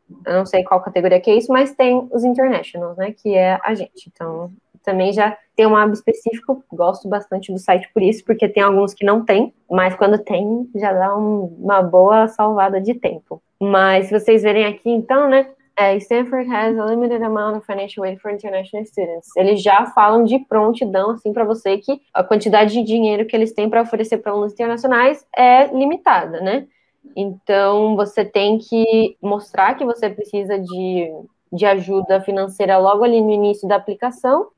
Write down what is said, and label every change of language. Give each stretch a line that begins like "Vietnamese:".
Portuguese: Eu não sei qual categoria que é isso, mas tem os Internationals, né? Que é a gente. Então, também já tem uma aba específica. Gosto bastante do site por isso, porque tem alguns que não tem, mas quando tem, já dá uma boa salvada de tempo. Mas se vocês verem aqui, então, né?
English: Stanford has a limited amount of financial aid for international students.
Portuguese: Eles já falam de prontidão, assim, para você que a quantidade de dinheiro que eles têm para oferecer para alunos internacionais é limitada, né? Então, você tem que mostrar que você precisa de ajuda financeira logo ali no início da aplicação.